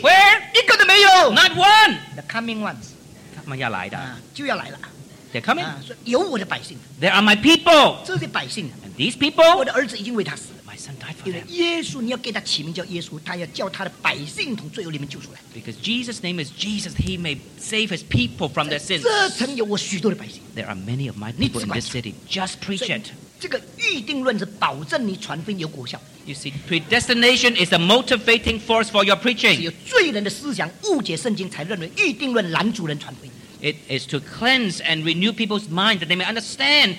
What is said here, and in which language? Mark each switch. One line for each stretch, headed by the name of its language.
English: Where?
Chinese: 一个都没有!
English: Not one! The coming ones.
Chinese: 他们要来的, 就要来了。
English: They're coming.
Chinese: 有我的百姓,
English: there are my people.
Chinese: 这些百姓,
English: and these people,
Chinese: 我的儿子已经为他死了,
English: my son died for them.
Chinese: 耶稣你要给他起名叫耶稣, 他要叫他的百姓从罪恶里面救出来。
English: Because Jesus' name is Jesus, he may save his people from their sins.
Chinese: 这城有我许多的百姓,
English: there are many of my people in this city. Just preach it.
Chinese: 这个预定论是保证你传福音有果效。
English: You see, predestination is a motivating force for your preaching.
Chinese: 只有罪人的思想误解圣经才认为预定论拦阻人传福音。
English: It is to cleanse and renew people's mind that they may understand.